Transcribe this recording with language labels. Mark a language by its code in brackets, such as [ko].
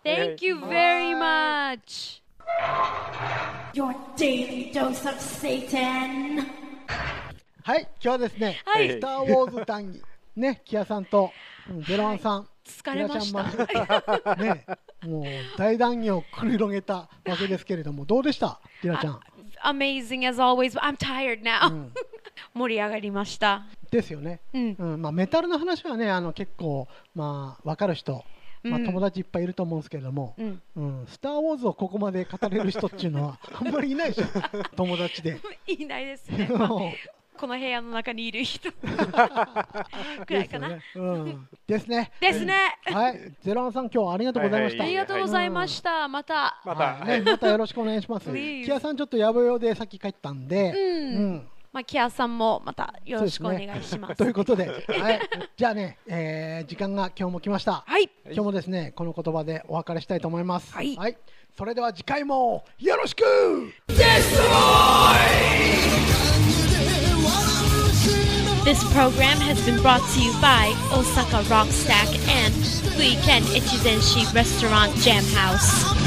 [en] Thank you very much。 Your daily dose of Satan。 [ja] はい、今日はですね、はい、スターウォーズ談義ね、キアさんとゼロワンさん、はい、疲れました、ね、もう大談義を繰り広げたわけですけれども、どうでした、ディラちゃん。 [en] Amazing as always, but I'm tired now、うん、 [ja] 盛り上がりましたですよね、うんうん、まあ、メタルの話はね、結構、まあ、分かる人、まあ、友達いっぱいいると思うんですけれども、うんうん、スターウォーズをここまで語れる人っていうのはあんまりいないでしょ友達でいないですね、まあこの部屋の中にいる人くらいかな、ね、うん、ですね、ですね、はい、ゼロワンさん今日はありがとうございました、はいはい、ありがとうございました、うん、また、また、はい、ね、またよろしくお願いしますキアさんちょっとやぶようでさっき帰ったんで、うんうん、まあ、キアさんもまたよろしくお願いします、ね、ということで、はい、じゃあね、時間が今日も来ました、はい、今日もですねこの言葉でお別れしたいと思います、はい、はい、それでは次回もよろしく。 [en] This program has been brought to you by Osaka Rock Stack and Weekend Ichizenshi Restaurant Jam House.